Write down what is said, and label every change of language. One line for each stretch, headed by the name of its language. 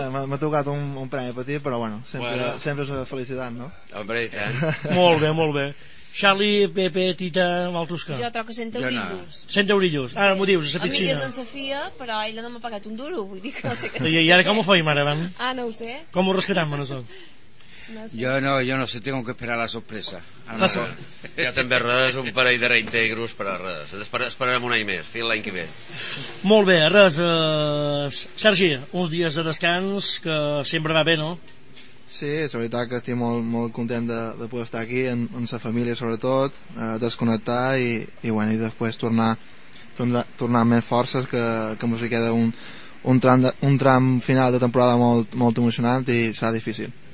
Catalan: M'ha tocat un premi petit, però bueno, sempre és una felicitat, no? Hombre, i tant. Molt bé, molt bé. Charlie, Pepe, Tita, Maltusca. Jo troc 100 eurillos. 100 eurillos, ara m'ho dius, a la piscina. A mi és en Sofia, però ella no m'ha pagat un duro, vull dir que no sé què. I ara com ho feim, ara? Ah, no ho sé. Com ho rescatem, no sóc? No sé.
Spanish: Yo no sé, tengo que esperar la sorpresa.
Catalan: Ja també res, un parell de reintegros, però res. Esperarem un any més, fins l'any que ve. Molt bé, res. Sergi, uns dies de descans, que sempre va bé, no? Sí, és veritat que estic molt, molt content de poder estar aquí, amb la família sobretot, desconnectar i, bueno, i després tornar amb més forces, que ens queda un tram final de temporada molt, molt emocionant i serà difícil.